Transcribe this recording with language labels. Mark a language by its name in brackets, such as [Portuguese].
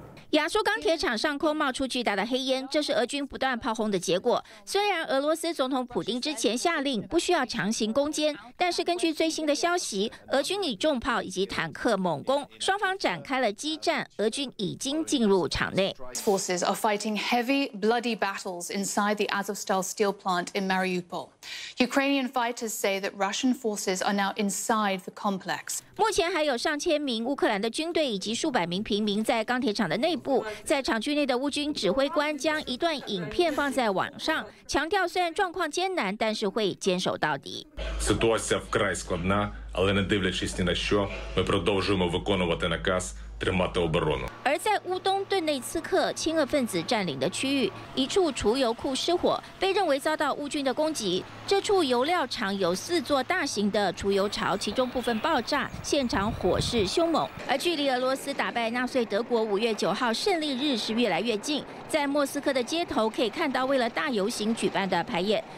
[Chinese] 亚速钢铁厂上空冒出巨大的黑烟，这是俄军不断炮轰的结果。虽然俄罗斯总统普丁之前下令不需要强行攻坚，但是根据最新的消息，俄军以重炮以及坦克猛攻，双方展开了激战，俄军已经进入场内。 [English] Forces are fighting heavy, bloody battles inside the Azovstal steel plant in Mariupol. Ukrainian fighters say that Russian forces are now inside the complex. [Chinese] 目前还有上千名乌克兰的军队以及数百名平民在钢铁厂的内。在厂区内的乌军指挥官将一段影片放在网上，强调虽然状况艰难，但是会坚守到底。 [Ukrainian] Ситуація вкрай складна, але не дивлячись ні на що, ми продовжуємо виконувати наказ тримати оборону。 [Chinese] 而在乌东顿内茨克亲俄分子占领的区域，一处储油库失火，被认为遭到乌军的攻击。这处油料厂有四座大型的储油槽，其中部分爆炸，现场火势凶猛。而距离俄罗斯打败纳粹德国5月9号胜利日是越来越近，在莫斯科的街头可以看到为了大游行举办的排演。